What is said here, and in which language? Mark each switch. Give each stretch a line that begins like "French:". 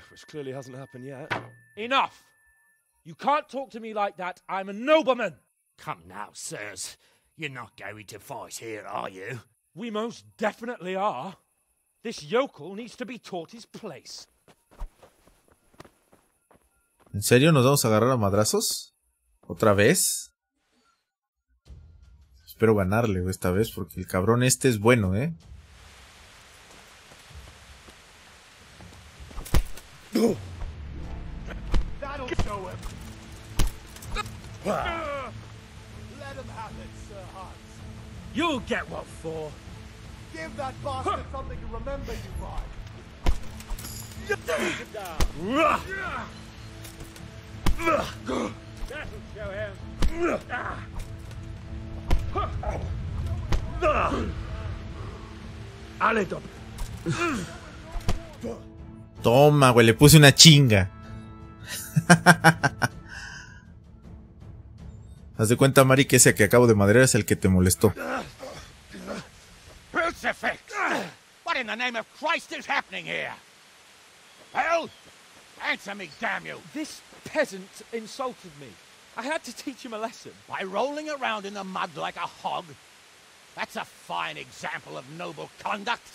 English: Which clearly hasn't happened yet. Enough! You can't talk to me like that. I'm a nobleman. Come now, sirs. You're not going to fight here, are you? We most definitely are. This yokel needs to be taught his place.
Spanish: ¿En serio nos vamos a agarrar a madrazos? ¿Otra vez? Espero ganarle esta vez porque el cabrón este es bueno, ¿eh?
English: That'll show him. Let him have it, Sir Hans. You'll get what for. Give that bastard something to remember you by. Take him down. That'll show him.
Spanish: Ale, doble. Toma, güey, le puse una chinga. Haz de cuenta, Mari, que ese que acabo de madrear es el que te molestó.
English: What in the name of Christ is happening here? Hell, answer me, damn you! This peasant insulted me. I had to teach him a lesson. By rolling around in the mud like a hog? That's a fine example of noble conduct.